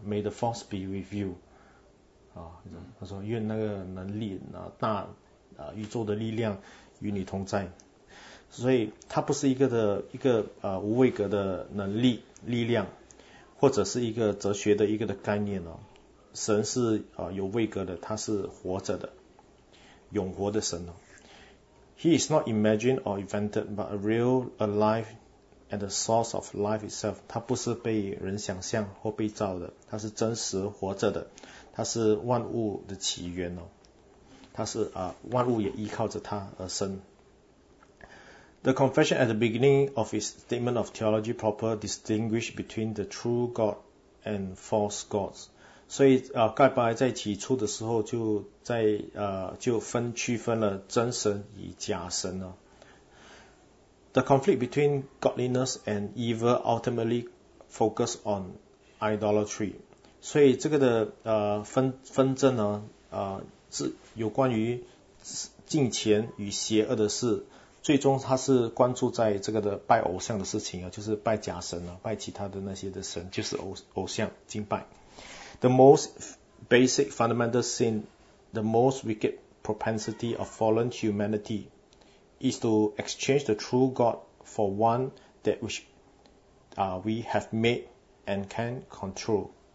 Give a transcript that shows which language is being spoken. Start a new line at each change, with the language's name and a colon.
English: May the force be with you
Chinese: 他说愿那个能力宇宙的力量与你同在。所以它不是一个无位格的能力力量，或者是一个哲学的一个的概念哦。神是有位格的，他是活着的，永活的神哦。
English: He is not imagined or invented, but a real, alive, and the source of life itself.
Chinese: 他不是被人想象或被造的，他是真实活着的，他是万物的起源哦。他是万物也依靠着他而生。
English: The confession at the beginning of his statement of theology proper distinguished between the true God and false gods.
Chinese: 所以盖白在起初的时候就区分了真神与假神了。
English: The conflict between godliness and evil ultimately focused on idolatry.
Chinese: 所以这个的纷争呢是有关于敬虔与邪恶的事。最终他是关注在这个的拜偶像的事情就是拜假神拜其他的那些的神，就是偶像敬拜。
English: The most basic fundamental sin, the most wicked propensity of fallen humanity is to exchange the true God for one that we have made and can control.